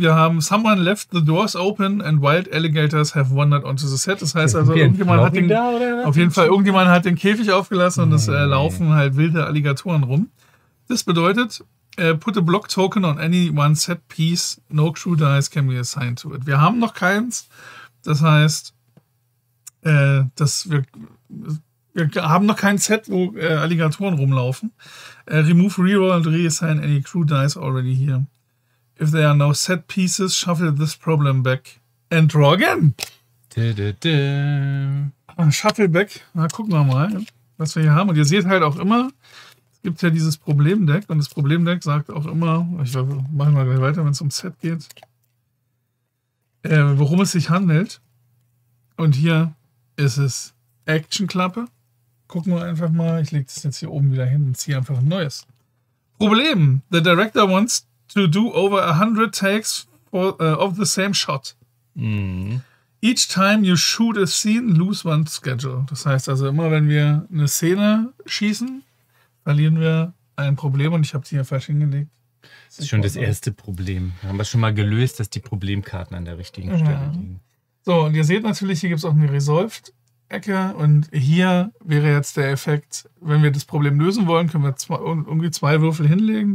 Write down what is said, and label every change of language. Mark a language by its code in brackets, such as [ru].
[de] Wir haben [en] Someone left the doors open and wild alligators have wandered onto the set. [de] Das heißt also, irgendjemand hat den Käfig aufgelassen und es laufen halt wilde Alligatoren rum. Das bedeutet, [en] put a block token on any one set piece. No crew dice can be assigned to it. [de] Wir haben noch keins. Das heißt, dass wir Wir haben noch kein Set, wo Alligatoren rumlaufen. [en] Remove reroll and reassign any crew dice already here. If there are no set pieces, shuffle this problem back and draw again. Shuffle back. [de] Na, gucken wir mal, was wir hier haben. Und ihr seht halt auch immer, es gibt ja dieses Problemdeck. Und das Problemdeck sagt auch immer, ich mache mal gleich weiter, wenn es ums Set geht, worum es sich handelt. Und hier ist es Actionklappe. Gucken wir einfach mal. Ich lege das jetzt hier oben wieder hin und ziehe einfach ein neues. [en] Problem. The director wants to do over 100 takes for, of the same shot. Mm. Each time you shoot a scene, lose one schedule. [de] Das heißt also, immer wenn wir eine Szene schießen, verlieren wir ein Problem. Und ich habe sie hier falsch hingelegt. Das ist schon das erste Problem. Wir haben das schon mal gelöst, dass die Problemkarten an der richtigen Stelle liegen. So, und ihr seht natürlich, hier gibt es auch eine Resolved-Ecke. Und hier wäre jetzt der Effekt, wenn wir das Problem lösen wollen, können wir irgendwie zwei Würfel hinlegen.